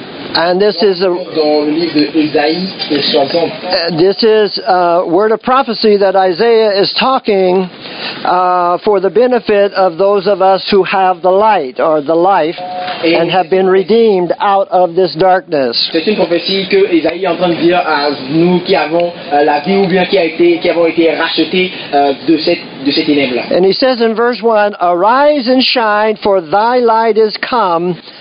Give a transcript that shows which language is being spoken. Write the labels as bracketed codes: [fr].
[en] And this is a word of prophecy that Isaiah is talking for the benefit of those of us who have the light or the life and have been redeemed out of this darkness. [fr] C'est une prophétie que Isaïe est en train de dire à nous qui avons la vie ou bien qui avons été rachetés de cette ténèbre-là. [en] And he says in verse 1, "Arise and shine, for thy light is come.